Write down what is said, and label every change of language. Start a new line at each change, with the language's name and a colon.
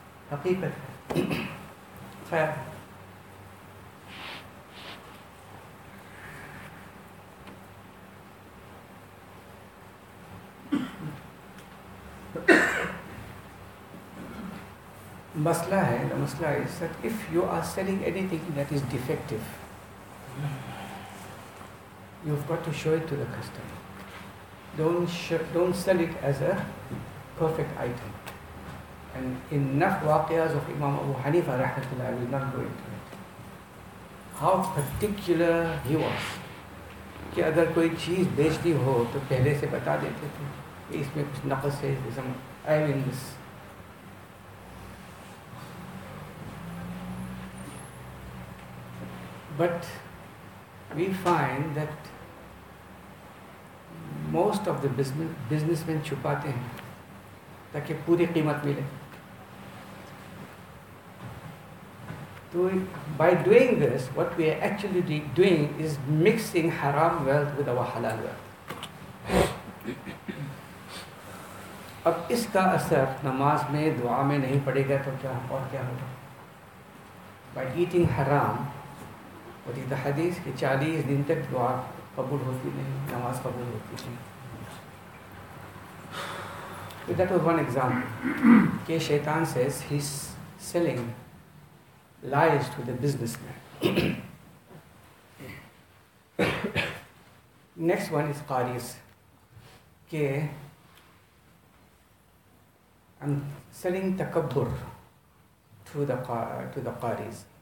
Hindi: हकीकत है. खैर, मसला है, मसला है sir.
English: If you are selling anything that is defective, you have got to show it to the customer. Don't sell it as a perfect item. And enough waqiyas of Imam Abu Hanifa rahmatullah, I will not go into it. How particular he was.
Hindi: कि अगर कोई चीज़ बेचनी हो तो पहले से बता देते थे कि इसमें कुछ नक़्स है, जिसम
English: I mean this. But we find that most of the businessman
Hindi: छुपाते हैं ताकि पूरी कीमत मिले.
English: तो by doing this what we are actually doing is mixing हराम wealth with our हलाल wealth.
Hindi: अब इसका असर नमाज में, दुआ में नहीं पड़ेगा तो क्या और क्या होगा.
English: by eating
Hindi: हराम वही हदीस कि 40 दिन तक दुआ कबूल होती नहीं, नमाज कबूल होती नहीं.
English: But that was one example. Ke shaitan says he's selling lies to the businessman. Next one is qaris. Ke I'm selling takabbur to the qaris.